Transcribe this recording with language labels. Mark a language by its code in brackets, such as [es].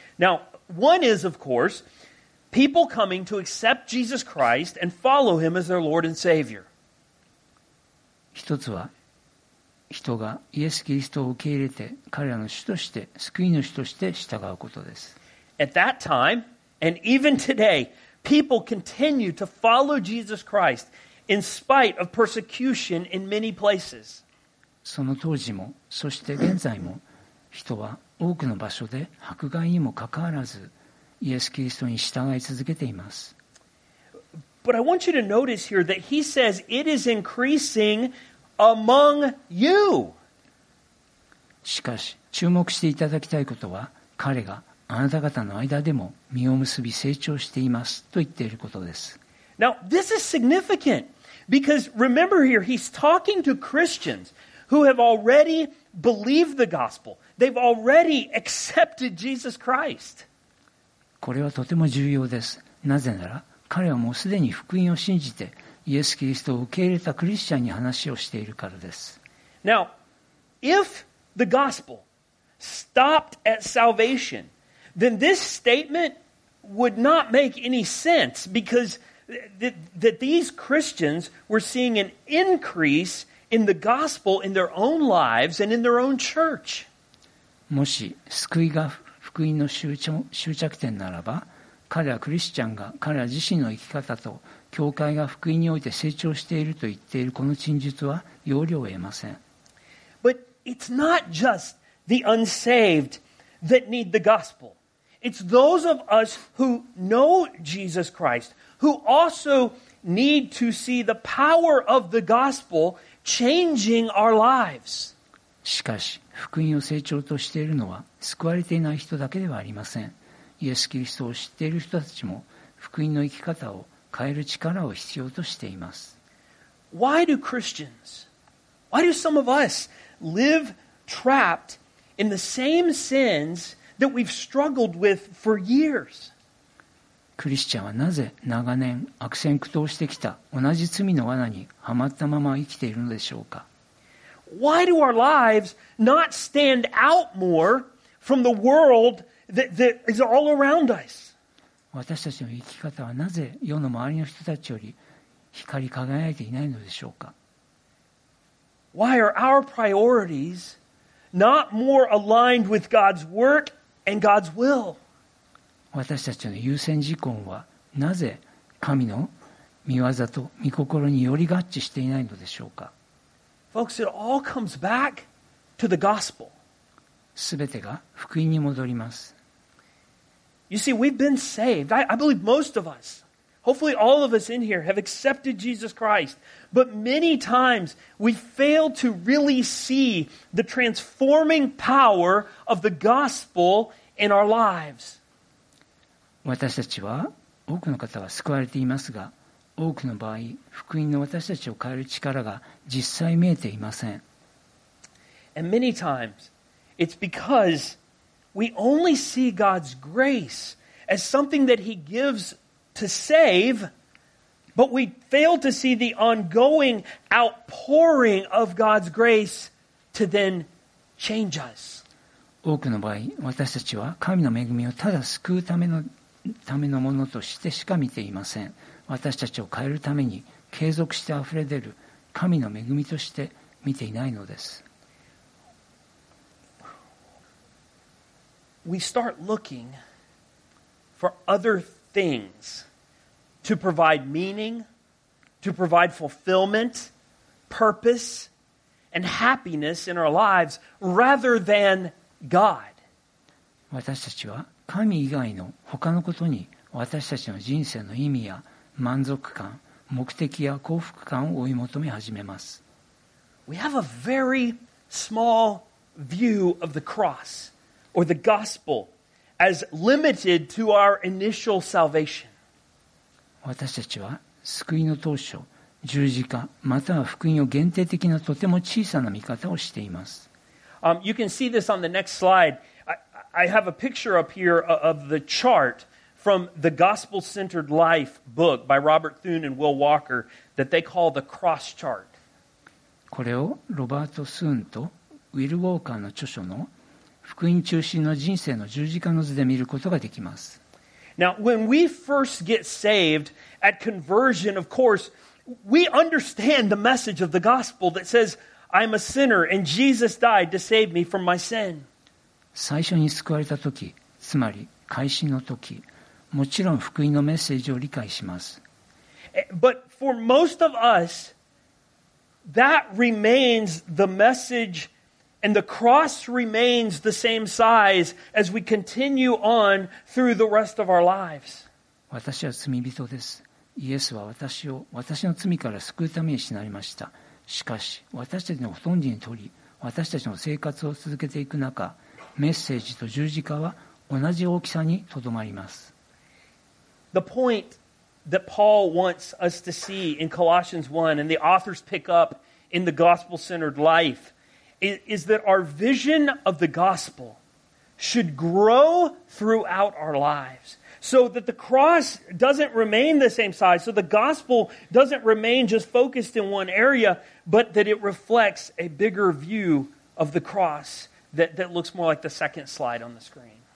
[en] Now, one is, of course, people coming to accept Jesus Christ and follow him as their Lord and Savior. [ja] 一つは人がイエス・キリストを受け入れて彼らの主として救い主として従うことです。 [en] At that time, and even today, people continue to follow Jesus Christ. In spite of persecution in many places. [ja] その当時も、そして現在も、人は多くの場所で迫害にもかかわらず、イエス・キリストに従い続けています。 [en] But I want you to notice here that he says it is increasing among you. [ja] しかし、注目していただきたいことは、彼があなた方の間でも実を結び成長していますと言っていることです。 [en] Now, this is significant because remember here, he's talking to Christians who have already believed the gospel. They've already accepted Jesus Christ. [ja] これはとても重要です。なぜなら、彼はもうすでに福音を信じてイエス・キリストを受け入れたクリスチャンに話をしているからです。 [en] Now, if the gospel stopped at salvation, then this statement would not make any sense because that these Christians were seeing an increase in the gospel in their own lives and in their own church. [ja] もし救いが福音の終着点ならば、彼らクリスチャンが彼ら自身の生き方と教会が福音において成長していると言っているこの陳述は要領を得ません。 [en] But it's not just the unsaved that need the gospel. It's those of us who know Jesus Christ who also need to see the power of the gospel changing our lives. [ja] しかし、福音を成長としているのは救われていない人だけではありません。イエス・キリストを知っている人たちも福音の生き方を変える力を必要としています。 [en] Why do Christians? Why do some of us live trapped in the same sins that we've struggled with for years? [ja] クリスチャンはなぜ長年悪戦苦闘してきた同じ罪の罠にはまったまま生きているのでしょうか? [en] Why do our lives not stand out more from the world that is all around us? [ja] 私たちの生き方はなぜ世の周りの人たちより光り輝いていないのでしょうか? [en] Why are our priorities not more aligned with God's work and God's will? [ja] 私たちの優先事項はなぜ神の御業と御心により合致していないのでしょうか? [en] Folks, it all comes back to the gospel. [ja] すべてが福音に戻ります。 [en] You see, we've been saved. I believe most of us, hopefully all of us in here, have accepted Jesus Christ. But many times we fail to really see the transforming power of the gospel in our lives. [ja] 私たちは、多くの方は救われていますが、多くの場合、福音の私たちを変える力が実際見えていません。 [en] And many times it's because we only see God's grace as something that He gives to save, but we fail to see the ongoing outpouring of God's grace to then change us. [ja] 多くの場合、私たちは神の恵みをただ救うためのものとしてしか見ていません。私たちを変えるために継続して溢れ出る神の恵みとして見ていないのです。 [en] We start looking for other things to provide meaning, to provide fulfillment, purpose, and happiness in our lives rather than God. [ja] 私たちは神以外の他のことに私たちの人生の意味や満足感、目的や幸福感を追い求め始めます。 [en] We have a very small view of the cross. Or the gospel as limited to our initial salvation. [ja] 私たちは救いの当初、十字架または福音を限定的なとても小さな見方をしています。 [en] You can see this on the next slide. I have a picture up here of the chart from the Gospel-Centered Life book by Robert Thune and Will Walker that they call the Cross Chart. [ja] これをロバート・スーンとウィル・ウォーカーの著書の福音中心の人生の十字架の図で見ることができます。 [en] Now, when we first get saved at conversion, of course, we understand the message of the gospel that says, I'm a sinner and Jesus died to save me from my sin. [ja] 最初に救われた時、つまり改心の時、もちろん福音のメッセージを理解します。 [en] But for most of us, that remains the message And the cross remains the same size as we continue on through the rest of our lives. [ja] 私は罪人です。イエスは私の罪から救うために死なれました。しかし、私たちのほとんどにとり、私たちの生活を続けていく中、メッセージと十字架は同じ大きさにとどまります。 [en] The point that Paul wants us to see in Colossians 1 and the authors pick up in the gospel-centered life is that our vision of the gospel should grow throughout our lives. So that the cross doesn't remain the same size, so the gospel doesn't remain just focused in one area, but that it reflects a bigger view of the cross that looks more like the second slide on the screen.